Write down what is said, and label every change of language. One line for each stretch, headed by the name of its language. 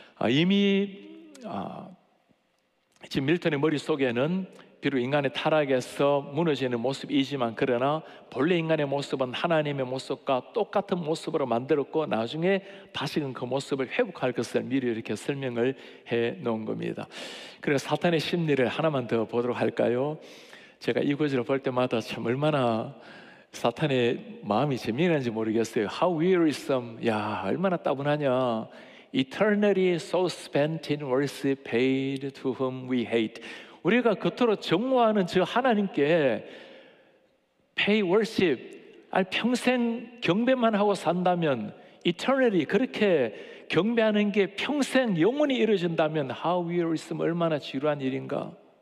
Korean: 이미 지금 밀턴의 머릿속에는 비록 인간의 타락에서 무너지는 모습이지만 그러나 본래 인간의 모습은 하나님의 모습과 똑같은 모습으로 만들었고 나중에 다시금 그 모습을 회복할 것을 미리 이렇게 설명을 해놓은 겁니다. 그래서 사탄의 심리를 하나만 더 보도록 할까요? 제가 이 구절을 볼 때마다 참 얼마나 사탄의 마음이 재미있는지 모르겠어요.
English: How wearisome,
Korean: 야 얼마나 따분하냐.
English: Eternally so spent in worship paid to whom we hate.
Korean: 우리가 겉으로 증오하는 저 하나님께
English: pay worship,
Korean: 평생 경배만 하고 산다면, eternally 그렇게 경배하는 게 평생 영원히 이루어진다면
English: how wearisome,
Korean: 얼마나 지루한 일인가.